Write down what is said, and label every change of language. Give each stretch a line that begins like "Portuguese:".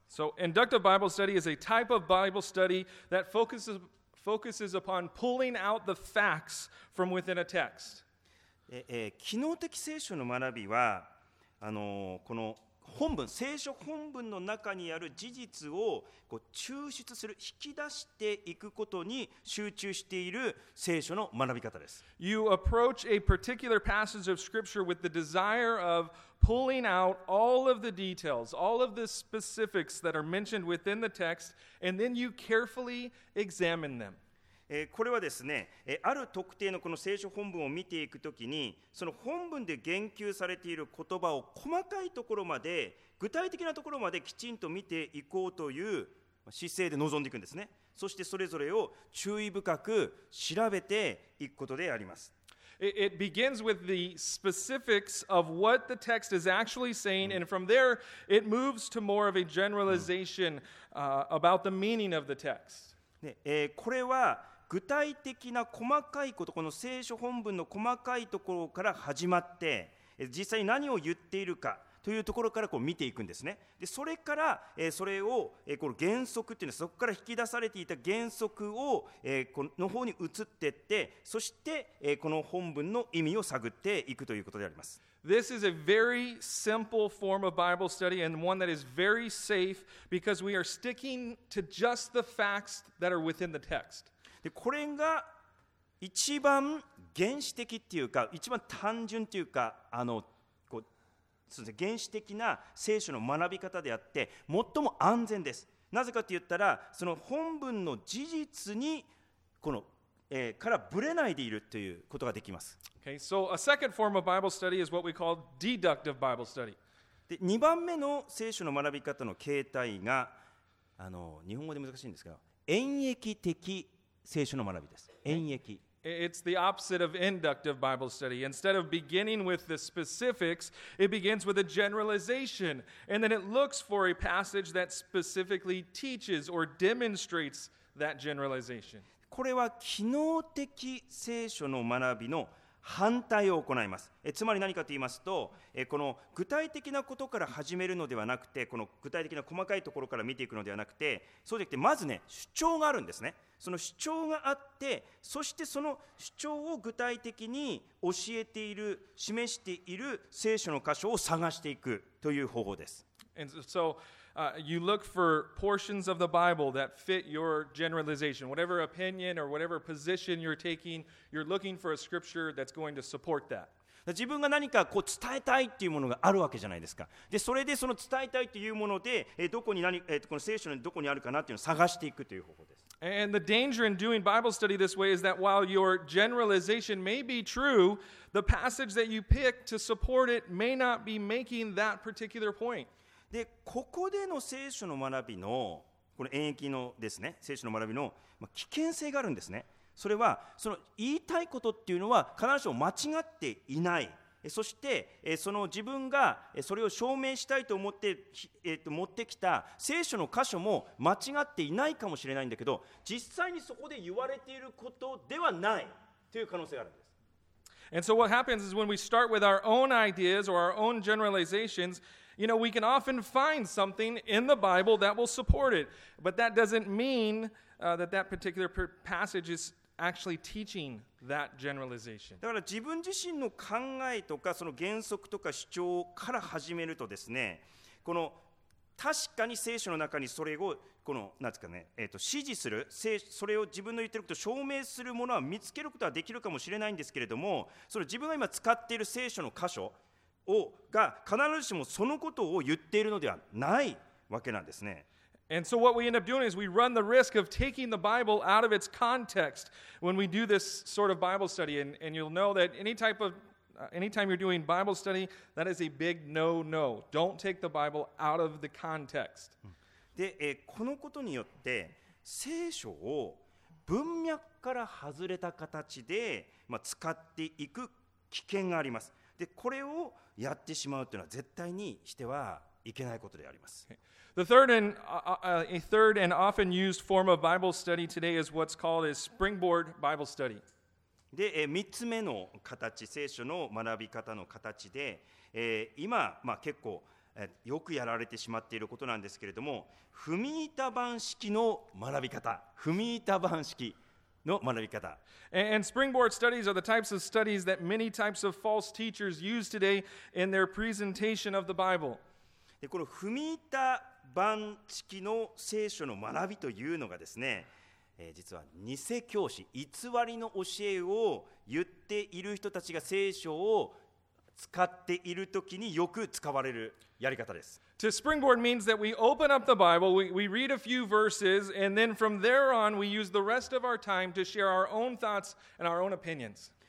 English: So, Inductive Bible Study is a type of Bible study that focuses upon pulling out the facts from within a text.
Japanese: 機能的聖書の学びは、この本文、聖書本文の中にある事実をこう抽出する、引き出していくことに集中している聖書の学び方です。
English: You approach a particular passage of scripture with the desire of pulling out all of the details, all of the specifics that are mentioned within the text, and then you carefully examine them.
Japanese: これはですね、ある特定のこの聖書本文を見ていくときに、その本文で言及されている言葉を細かいところまで、具体的なところまできちんと見ていこうという姿勢で臨んでいくんですね。そしてそれぞれを注意深く調べていくことであります。
English: It begins with the specifics of what the text is actually saying, and from there, it moves to more of a generalization, about the meaning of the text.
Japanese: これは具体的な細かいこと、この聖書本文の細かいところから始まって、実際に何を言っているかというところからこう見ていくんですね。で、それから、それを、この原則っていうのは、そこから引き出されていた原則を、この方に移っていって、そして、この本文の意味を探っていくということであります。
English: This is a very simple form of Bible study and one that is very safe because we are sticking to just the facts that are within the text.
Japanese: で、これが一番原始的っていうか、一番単純っていうか、こう、そうですね、原始的な聖書の学び方であって、最も安全です。なぜかって言ったら、その本文の事実にこの、からぶれないでいるということができます。
English: Okay, so a second form of Bible study is what we call deductive Bible study.
Japanese: で、2番目の聖書の学び方の形態が、日本語で難しいんですけど、演繹的聖書の学びです。演繹。
English: It's the opposite of inductive Bible study. Instead of beginning with the specifics, it begins with a generalization, and then it looks for a passage that specifically teaches or demonstrates that generalization.
Japanese: これは機能的聖書の学びの反対を行います。つまり何かと言いますと、この具体的なことから始めるのではなくて、この具体的な細かいところから見ていくのではなくて、そうじゃなくて、まずね、主張があるんですね。その主張があって、そしてその主張を具体的に教えている、示している聖書の箇所を探していくという方法です。
English: And so, you look for portions of the Bible that fit your generalization. Whatever opinion or whatever position you're taking, you're looking for a scripture that's going to support that.
Japanese: 自分が何かこう伝えたいっていうものがあるわけじゃないですか。で、それでその伝えたいというもので、どこに何、この聖書のどこにあるかなっていうのを探していくという方法です。
English: And the danger in doing Bible study this way is that while your generalization may be true, the passage that you pick to support it may not be making that particular point.
Japanese: で、ここでの聖書の学びの、この演繹のですね、聖書の学びの危険性があるんですね。それは、その言いたいことっていうのは必ずしも間違っていない。そして、その自分がそれを証明したいと思って、持ってきた聖書の箇所も間違っていないかもしれないんだけど、実際にそこで言われていることではないという可能性があるんです。
English: And so what happens is when we start with our own ideas or our own generalizations, you know, we can often find something in the Bible that will support it. But that doesn't mean that that particular passage is actually teaching that generalization.
Japanese: だから自分自身の考えとかその原則とか主張から始めるとですね、この確かに聖書の中にそれをこのなんですかね、支持する、それを自分の言ってることを証明するものは見つけることはできるかもしれないんですけれども、その自分が今使っている聖書の箇所をが必ずしもそのことを言っているのではないわけなんですね。
English: And so what we end up doing is we run the risk of taking the Bible out of its context when we do this sort of Bible study. And you'll know that anytime you're doing Bible study, that is a big no-no. Don't take the Bible out of the context.
Japanese: で、このことによって聖書を文脈から外れた形で、使っていく危険があります。で、これをやってしまうというのは絶対にしてはいけないことであります。
English: The third and a third and often used form of Bible study today is what's called a springboard Bible study.
Japanese: で、3つ目の形、聖書の学び方の形で、今、結構、よくやられてしまっていることなんですけれども、踏み板版式の学び方、踏み板版式の学び方。
English: And springboard studies are the types of studies that many types of false teachers use today in their presentation of the Bible.
Japanese: で、この踏み板版式の聖書の学びというのがですね、実は偽教師、偽りの教えを言っている人たちが聖書を使っているときによく使われるやり方です。
English: To springboard means that we open up the Bible, we read a few verses, and then from there on we use the rest of our time to share our own thoughts and our own opinions.